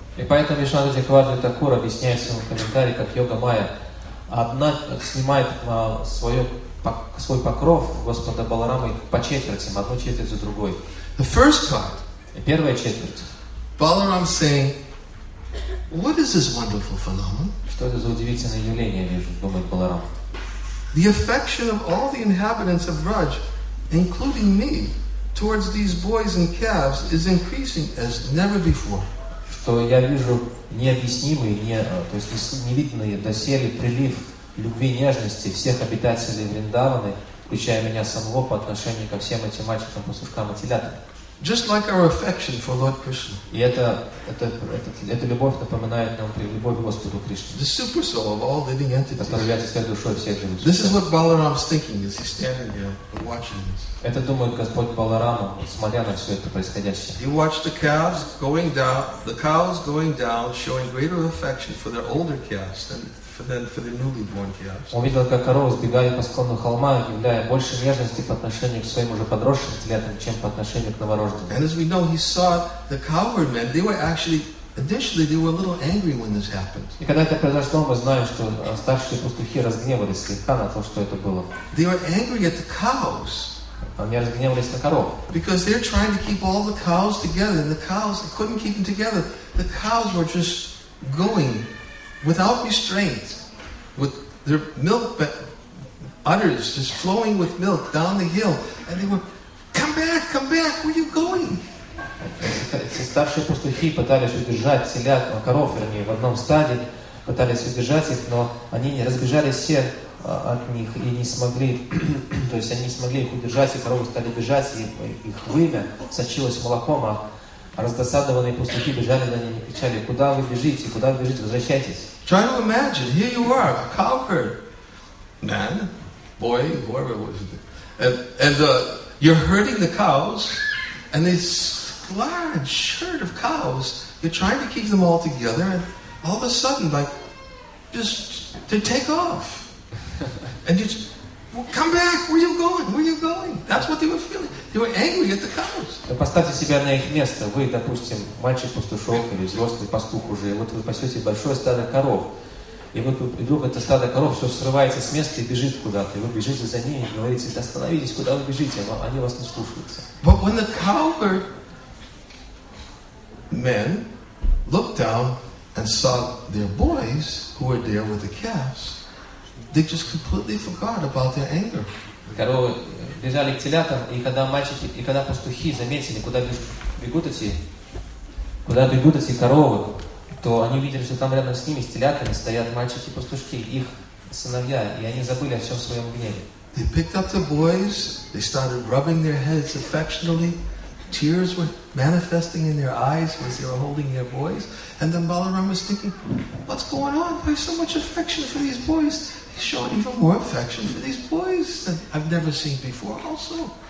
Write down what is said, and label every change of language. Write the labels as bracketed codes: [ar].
[ru] И поэтому Вишнава Чакраварти Такур объясняет в своем комментарии, как Йога Майя одна снимает свой покров Господа Баларамы по четвертям, одну четверть за другой. [en] The first part. [ru] И первая четверть. [en] Balaram saying, what is this wonderful phenomenon? [ru] Что это за удивительное явление, вижу, думает Баларам. [en] The affection of all the inhabitants of Raj, including me, towards these boys and calves is increasing as never before. [ru] Что я вижу необъяснимый, то есть невиданный доселе прилив любви, нежности всех обитателей Вриндаваны, включая меня самого, по отношению ко всем этим мальчикам, пастушкам и телятам. [en] Just like our affection for Lord Krishna. [ru] И эта любовь напоминает нам любовь к Господу Кришне. [en] The super soul of all living entities. [ru] Которая является душой всех живых. [en] This is what Balaram's thinking as he's standing there watching this. [ru] Это думает Господь Баларама, смотря на все это происходящее. [en] He watched the cows going down, showing greater affection for their older calves than for the newly born calves. [ru] Он видел, как коровы сбегают по склону холма, являя больше нежности по отношению к своим уже подросшим телятам, чем по отношению к новорожденным. [en] And as we know, he saw the cowherd men. Initially, they were a little angry when this happened. [ru] И когда это произошло, мы знаем, что старшие пастухи разгневались слегка на то, что это было. [en] They were angry at the cows. Они разгневались на коров. Because they're trying to keep all the cows together, and the cows couldn't keep them together. The cows were just going without restraint, with their milk udders just flowing with milk down the hill, and they were, come back, where are you going? [ru] Старшие пастухи пытались удержать телят, коров, они в одном стаде пытались удержать их, но они не разбежались все от них и не смогли, то есть они не смогли их удержать, и коровы стали бежать, и их вымя сочилось молоком, а раздосадованные пастухи бежали на них и кричали: куда вы бежите, возвращайтесь. [en] Try to imagine, here you are, a cowherd, man, boy, whoever was it, you're herding the cows, and this large herd of cows, you're trying to keep them all together, and all of a sudden, like, just, they take off, and you just, well, come back, where are you going, that's what they were feeling. They were angry at the cows. [ru] Вы поставьте себя на их место. Вы, допустим, мальчик-пастушок или взрослый пастух уже. И вот вы пасете большое стадо коров. И вот вдруг это стадо коров все срывается с места и бежит куда-то. И вы бежите за ними и говорите: да остановитесь, куда вы бежите? Они вас не слушаются. [en] But when the cowherd men looked down and saw their boys who were there with the calves, they just completely forgot about their anger. [ru] Коровы бежали к телятам, и когда мальчики, и когда пастухи заметили, куда бегут эти коровы, то они увидели, что там рядом с ними, с телятами, стоят мальчики-пастушки, их сыновья, и они забыли о всем своем гневе. [en] They picked up the boys, they started rubbing their heads affectionately, tears were manifesting in their eyes as they were holding their boys, and then Balaram was thinking, what's going on? Why so much affection for these boys? He's showing even more affection for these boys than I've never seen before also.